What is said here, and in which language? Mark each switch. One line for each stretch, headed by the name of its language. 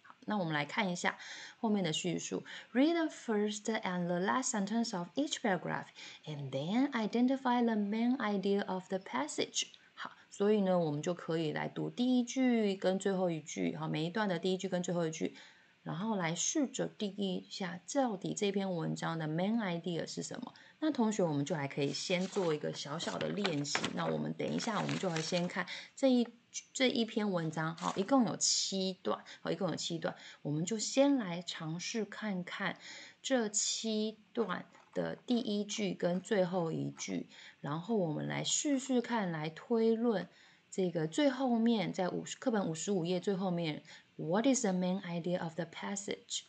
Chinese: 那我们来看一下后面的叙述。
English: Read the first and the last sentence of each paragraph and then identify the main idea of the passage。
Chinese: 所以呢，我们就可以来读第一句跟最后一句，每一段的第一句跟最后一句，然后来试着定义一下到底这篇文章的 main idea 是什么。那同学，我们就还可以先做一个小小的练习。那我们等一下，我们就会先看这一篇文章，一共有七段，我们就先来尝试看看这七段的第一句跟最后一句，然后我们来试试看，来推论这个最后面，在课本55页最后面
English: What is the main idea of the passage?